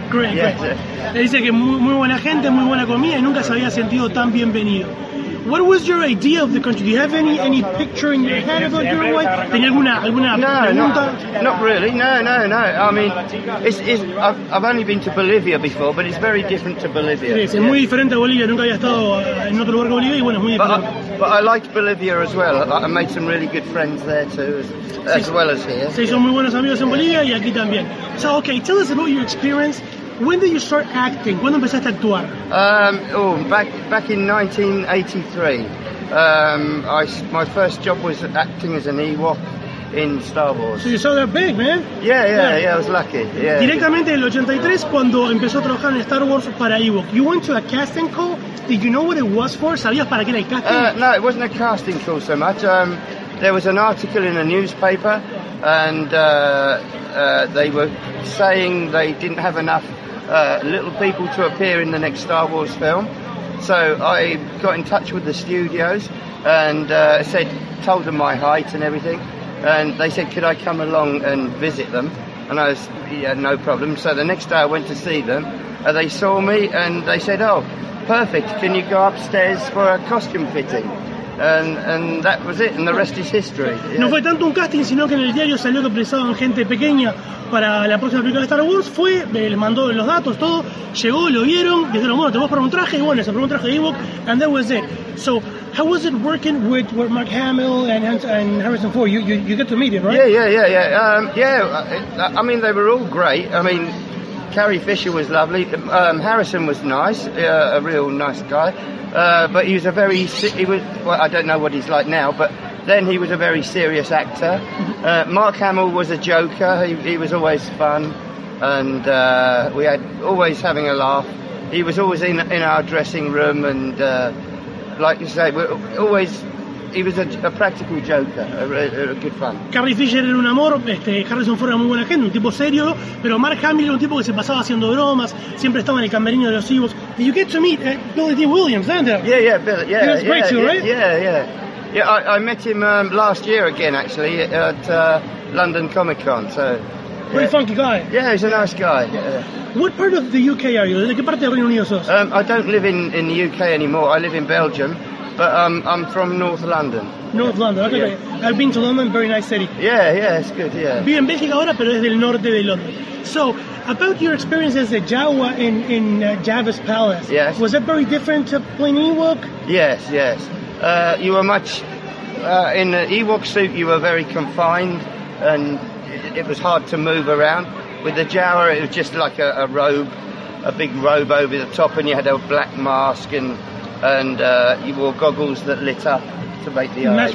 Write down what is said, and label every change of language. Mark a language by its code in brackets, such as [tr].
[es] Great. Dice que muy buena gente, muy buena comida y nunca se había sentido tan bienvenido. [en] What was your idea of the country? Do you have any picture in your head about Uruguay? [es] ¿Tenía alguna pregunta? [en] No, not really. I mean, I've only been to Bolivia before, but it's very different to Bolivia. [es] Sí, es muy diferente a Bolivia. Nunca había estado en otro lugar que Bolivia y bueno, es muy diferente. [en] But I liked Bolivia as well. I made some really good friends there too, as well as here. [es] Sí, son muy buenos amigos en Bolivia y aquí también. [en] So, okay, tell us about your experience. When did you start acting? ¿Cuándo empezaste a actuar? Back in 1983. My first job was acting as an Ewok in Star Wars. So you saw that big, man? Yeah, I was lucky. Yeah. [es] Directamente en el 83 cuando empezó a trabajar en Star Wars para Ewok. [en] You went to a casting call? Did you know what it was for? ¿Sabías para qué era el casting? No, it wasn't a casting call so much. There was an article in a newspaper and they were saying they didn't have enough little people to appear in the next Star Wars film. So I got in touch with the studios and told them my height and everything. And they said, could I come along and visit them? And I was, yeah, no problem. So the next day I went to see them. They saw me and they said, oh, perfect. Can you go upstairs for a costume fitting? And that was it, and the rest is history. Yeah. [es] No fue tanto un casting, sino que en el diario salió que precisaban gente pequeña para la próxima película de Star Wars. Fue, les mandó los datos, todo. Llegó, lo vieron, dijeron, bueno, te vas para un traje. Y bueno, se probó un traje de Ewok, and that was it. [en] So, how was it working with Mark Hamill and Harrison Ford? You get to meet him, right? Yeah. I mean, they were all great. I mean, Carrie Fisher was lovely. Harrison was nice, a real nice guy. But he was a very, he was, well, I don't know what he's like now, but then he was a very serious actor. Mark Hamill was a joker, he was always fun, and we had always having a laugh. He was always in our dressing room, and like you say, we're always, he was a practical joker, a good fun. [es] Carrie Fisher era un amor, Harrison Ford era muy buena gente, un tipo serio, pero Mark Hamill era un tipo que se pasaba haciendo bromas, siempre estaba en el camerino de los Ewoks. [en] Did you get to meet Billy Dee Williams, didn't you? Yeah, Billy, yeah. He was great too, right? Yeah. I met him last year again, actually, at London Comic Con, so... Pretty funky guy. Yeah, he's a nice guy. What part of the UK are you? ¿De qué parte de Reino Unido sos? I don't live in the UK anymore, I live in Belgium. But I'm from North London. North London, okay. Yeah. I've been to London, very nice city. Yeah, it's good, yeah. [es] Vivo en Bélgica ahora, pero es del norte de Londres. [en] So, about your experience as a Jawa in Jabba's Palace. Yes. Was that very different to playing Ewok? Yes. You were much... in the Ewok suit, you were very confined, and it was hard to move around. With the Jawa, it was just like a robe, a big robe over the top, and you had a black mask, and you wore goggles that lit up to make the eyes.